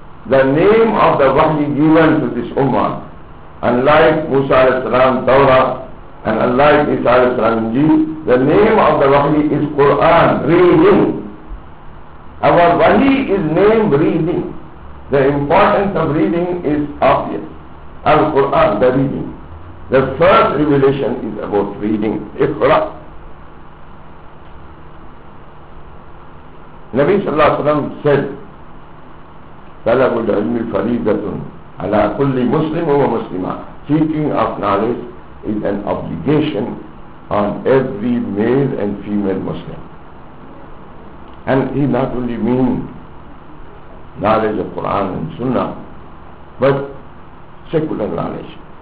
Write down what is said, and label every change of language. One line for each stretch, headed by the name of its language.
English: The name of the Wahi given to this Ummah, unlike Musa al-Salam Tawrah and unlike Isa al-Salam Ji, the name of the Wahi is Quran, reading. Our Wahi is named reading. The importance of reading is obvious. Al-Quran, the reading. The first revelation is about reading. Iqra.
Arabic: Nabi Sallallahu Alaihi Wasallam said, طلب العلم فريضة على كل مسلم ومسلمة.
English: Seeking of knowledge is an obligation on every male and female Muslim. And he not only mean knowledge of Quran and Sunnah, but secular knowledge.